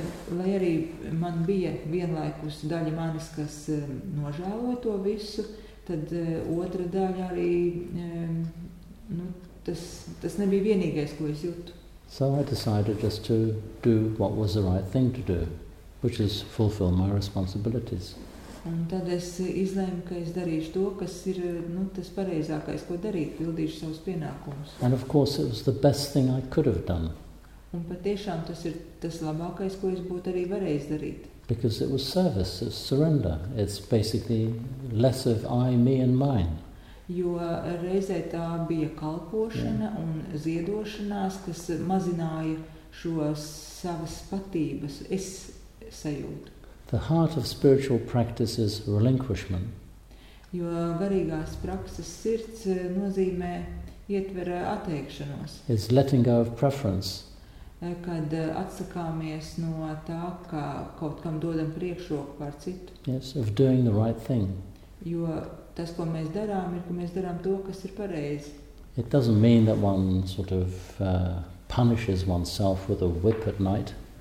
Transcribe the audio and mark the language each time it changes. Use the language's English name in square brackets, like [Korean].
[Latvian] Lai arī man bija vienlaikus daļa manis, kas nožēlo to visu, tad otra daļa arī, tas nebija vienīgais, ko es jūtu. [English] So I decided just to do what was the right thing to do, which is fulfill my responsibilities. [Latvian] Un tad es izlēmu, ka es darīšu to, kas ir, tas pareizākais, ko darīt, pildīšu savus pienākumus. [English] And of course it was the best thing I could have done. [Latvian] Un patiešām tas ir tas labākais, ko es būtu arī varējis darīt. [English] Because it was service, it's surrender. It's basically less of I, me and mine. [Latvian] Jo reizē tā bija kalpošana un ziedošanās, kas mazināja šo savas patības. Es sajūt. [English] The heart of spiritual practice is relinquishment. [Latvian] Jo garīgās prakses sirds nozīmē ietver atteikšanos. [English] It's letting go of preference. [Latvian] Kad atsakāmies no tā, ka kaut kam dodam priekšroku par citu. [English] Yes, of doing the right thing. [Latvian] Jo tas, ko mēs darām, ir, ka mēs darām to, kas ir pareizi. [English] It doesn't mean that one sort of punishes oneself with a whip at night.